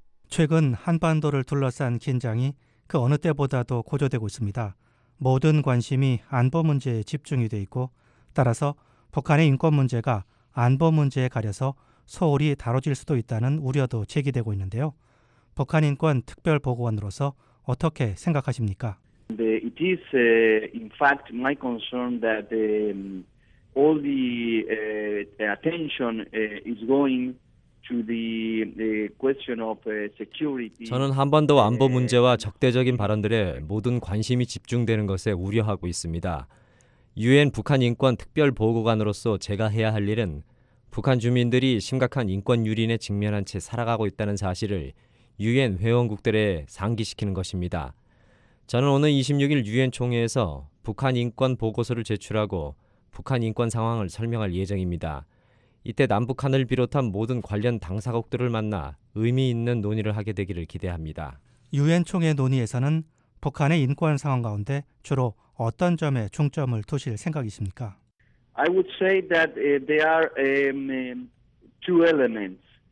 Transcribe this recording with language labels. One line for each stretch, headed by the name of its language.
Korean: 최근 한반도를 둘러싼 긴장이 그 어느 때보다도 고조되고 있습니다. 모든 관심이 안보 문제에 집중이 돼 있고 따라서 북한의 인권 문제가 안보 문제에 가려서 소홀히 다뤄질 수도 있다는 우려도 제기되고 있는데요. 북한인권특별보고관으로서 어떻게 생각하십니까?
English: It is, in fact, my concern that the, all the attention is going to the question of security.
Korean: 저는 한반도 안보 문제와 적대적인 발언들에 모든 관심이 집중되는 것에 우려하고 있습니다. 유엔 북한인권특별보고관으로서 제가 해야 할 일은 북한 주민들이 심각한 인권 유린에 직면한 채 살아가고 있다는 사실을 유엔 회원국들에 상기시키는 것입니다. 저는 오늘 26일 유엔 총회에서 북한 인권 보고서를 제출하고 북한 인권 상황을 설명할 예정입니다. 이때 남북한을 비롯한 모든 관련 당사국들을 만나 의미 있는 논의를 하게 되기를 기대합니다. 유엔 총회 논의에서는 북한의 인권 상황 가운데 주로 어떤 점에 중점을 두실 생각이십니까?
English: I would say that there are two elements.